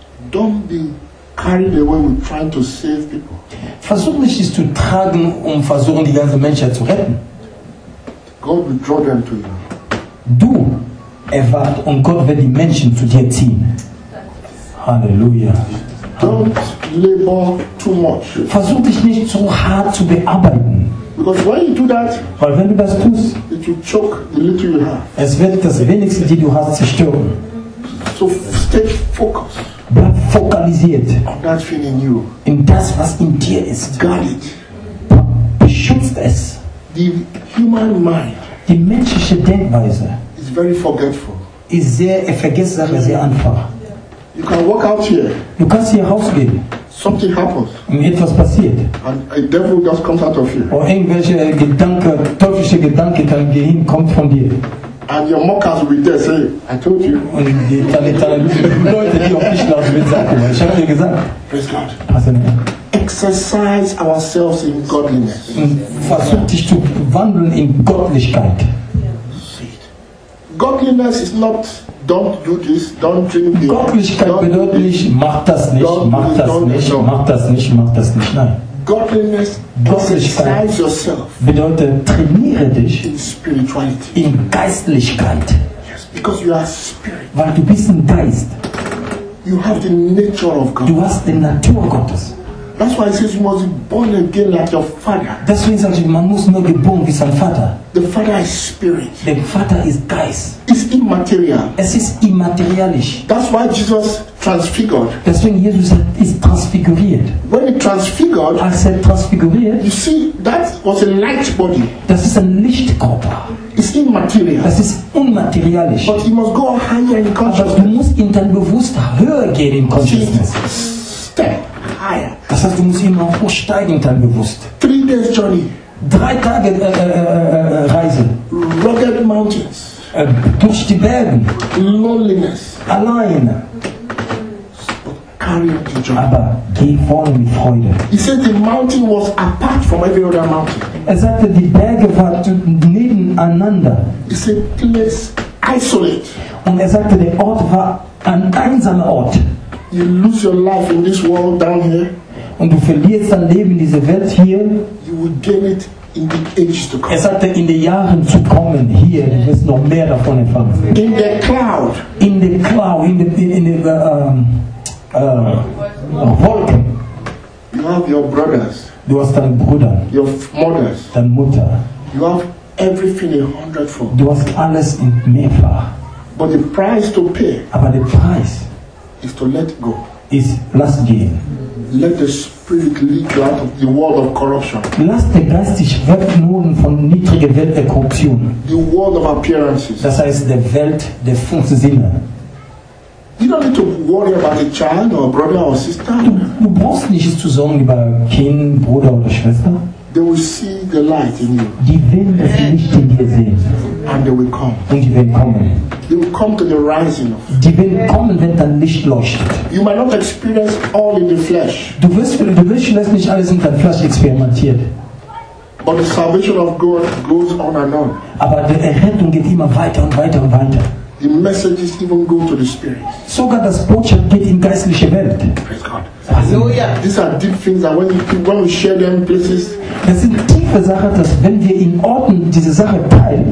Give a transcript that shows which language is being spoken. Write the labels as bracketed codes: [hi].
[en] Don't be carried away with trying to save people. [de] Versuch nicht, es zu tragen, um versuchen, die ganze Menschheit zu retten. [en] God will draw them to you. [de] Du erwart und Gott wird die Menschen zu dir ziehen. Halleluja. [en] Don't labor too much. [de] Versuch dich nicht zu hart zu bearbeiten. [en] Because when you do that, [de] weil wenn du das tust, [en] it will choke the little you have. [de] Es wird das Wenigste, die du hast, zerstören. [en] So stay focused. [de] Bleib fokalisiert. [en] That's feeling you. [de] In das, was in dir ist. [en] Guard it. [de] Beschützt es. [en] The human mind. [de] Die menschliche Denkweise. [en] Is very forgetful. [de] Ist sehr, er vergisst Sachen sehr einfach. [en] You can walk out here. [de] Du kannst hier rausgehen. [en] Something happens. [de] Und etwas passiert. [en] And a devil just comes out of you. [de] Oder irgendwelche Gedanken, teuflische Gedanken kann gehen, kommt von dir. [en] And your mockers will be there, say, I told you. [de] Und die Leute, die auf dich lassen, will sagen, ich habe dir gesagt. [en] Praise God. Exercise ourselves in godliness. [de] Und versuch dich zu wandeln in Gottlichkeit. [en] Godliness is not don't do this, don't drink this. [de] Gottlichkeit bedeutet nicht, mach das nicht, mach das nicht, mach das nicht, mach das nicht. Nein. [en] Godliness [de] bedeutet, trainiere dich [en] in spirituality. [de] In Geistlichkeit. [en] Yes, because you are spirit. [de] Weil du bist ein Geist. [en] You have the nature of God. [de] Du hast die Natur Gottes. [en] That's why it says you must be born again like your father. [de] Deswegen sagt er, man muss neu geboren wie sein Vater. [en] The father is spirit. [de] Der Vater ist Geist. [en] It's immaterial. [de] Es ist immaterialisch. [en] That's why Jesus transfigured. [de] Deswegen Jesus ist transfiguriert. [en] When he transfigured, I said transfiguriert. You see, that was a light body. [de] Das ist ein Lichtkörper. [en] It's immaterial. [de] Das ist unmaterialisch. [en] But you must go higher in consciousness. [de] Aber du musst in dein Bewusstsein höher gehen [en] in consciousness. Step higher. [de] Das heißt, du musst immer hochsteigen, dein Bewusst. [en] 3 days journey. [de] 3 Tage Reise. [en] Rugged mountains. [de] Durch die Berge. [en] Loneliness. [de] Allein. [en] Carry the journey. [de] Aber geh vorne mit Freude. [en] He said the mountain was apart from every other mountain. [de] Er sagte, die Berge waren nebeneinander. [en] He said place isolate. [de] Und er sagte, der Ort war ein einsamer Ort. [en] You lose your life in this world down here. [de] Und du verlierst dein Leben in dieser Welt hier. [en] You will gain it in the ages to come. [de] Er sagte, in den Jahren zu kommen hier, du wirst noch mehr davon empfangen. [en] In the cloud. In the cloud, in the Wolken. You have your brothers. [de] Du hast deinen Bruder. [en] Your mothers. [de] Deine Mutter. [en] You have everything in hundredfold. [de] Du hast alles in mehrfach. [en] But the price to pay. [de] Aber der Preis. [en] Is to let go. Is last gain. Let the spirit lead you out of the world of corruption. [de] Lass den Geist dich wegnehmen von niedriger Welt der Korruption. [en] The world of appearances. [de] Das heißt, der Welt der fünf Sinne. [en] You don't need to worry about a child or a brother or a sister. [de] Du brauchst nicht zu sorgen über Kind, Bruder oder Schwester. [en] They will see the light in you. [de] Die werden das Licht in dir sehen. [en] And they will come. [de] Und die werden kommen. [en] They will come to the rising of. [de] Die werden kommen, wenn dein Licht leuchtet. [en] You might not experience all in the flesh. [de] Du wirst nicht alles in deinem Fleisch experimentiert. [en] But the salvation of God goes on and on. [de] Aber die Errettung geht immer weiter und weiter und weiter. [en] The messages even go to the spirit. [de] Sogar das Botschaft geht in geistliche Welt. [en] Praise God. These are deep things that when we share them places. [de] Das sind tiefe Sachen, dass wenn wir in Orten diese Sache teilen.